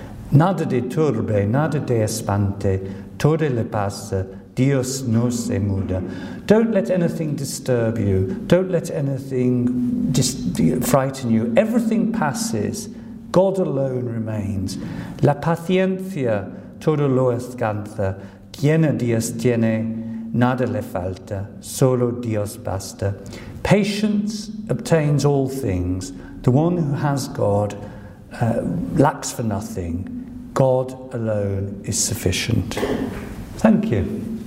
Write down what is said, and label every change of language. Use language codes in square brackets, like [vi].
[es] Nada de turbe, nada de espante, todo le pasa, Dios no se muda. [en] Don't let anything disturb you. Don't let anything frighten you. Everything passes. God alone remains. [es] La paciencia todo lo alcanza. Quien a Dios tiene, nada le falta. Solo Dios basta. [en] Patience obtains all things. The one who has God lacks for nothing. God alone is sufficient. Thank you.